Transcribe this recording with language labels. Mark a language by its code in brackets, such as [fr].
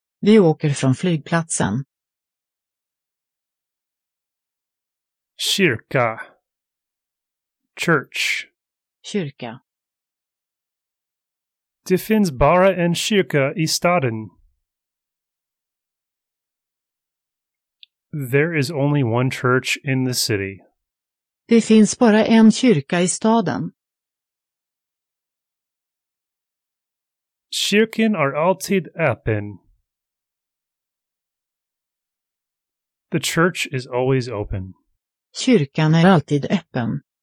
[sv] Vi åker från flygplatsen. Kyrka. [en] Church. [sv] Kyrka. Det finns bara en kyrka i staden. [en] There is only one church in the city. [sv] Det finns bara en kyrka i staden. Kyrkan är alltid öppen. [en] The church is always open. [sv] Kyrkan är alltid öppen.